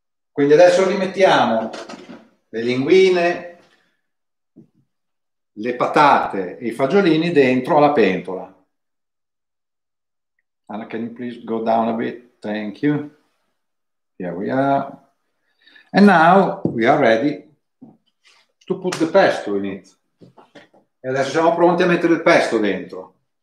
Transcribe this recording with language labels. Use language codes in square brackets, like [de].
[it] Quindi adesso rimettiamo le linguine, le patate e i fagiolini dentro alla pentola. [en] Anna, can you please go down a bit? Thank you. Here we are. And now we are ready to put the pesto in it. [it] E adesso siamo pronti a mettere il pesto dentro.